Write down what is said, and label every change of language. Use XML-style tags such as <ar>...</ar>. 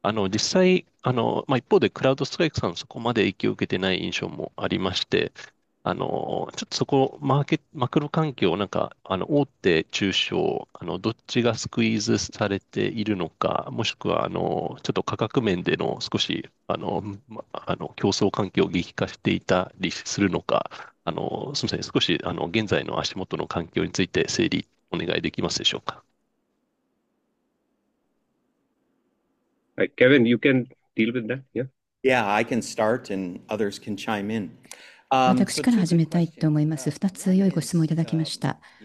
<ja>実際、一方でクラウドストライクさん、そこまで影響を受けてない印象もありまして、ちょっとそこ、マクロ環境、なんか大手、中小、どっちがスクイーズされているのか、もしくはちょっと価格面での少し競争環境を激化していたりするのか、すみません、少し現在の足元の環境について整理、お願いできますでしょうか。</ja> <en>Hi, Kevin, you can deal with that, yeah? Yeah, I can start and others can chime in.</en> <ja>私から始めたいと思います。2つ良いご質問いただきました。</ja>